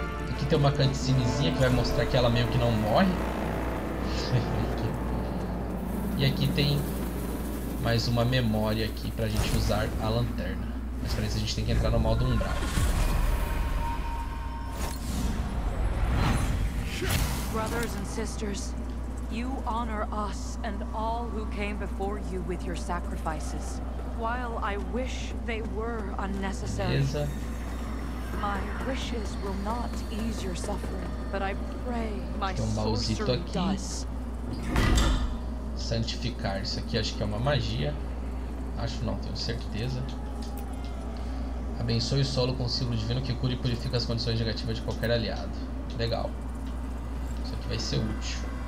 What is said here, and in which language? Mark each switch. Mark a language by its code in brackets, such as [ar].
[pt] Aqui tem uma cutscenezinha que vai mostrar que ela meio que não morre. E aqui tem mais uma memória aqui pra gente usar a lanterna. Mas pra isso a gente tem que entrar no modo umbral. [en] Brothers and sisters, you honor us and all who came before you with your sacrifices. While I wish they were unnecessary, my wishes will not ease your suffering, but I pray my sorcery does. [pt] Santificar, isso aqui acho que é uma magia. Acho não, tenho certeza. Abençoe o solo com o símbolo divino que cura e purifica as condições negativas de qualquer aliado. Legal. Vai ser útil.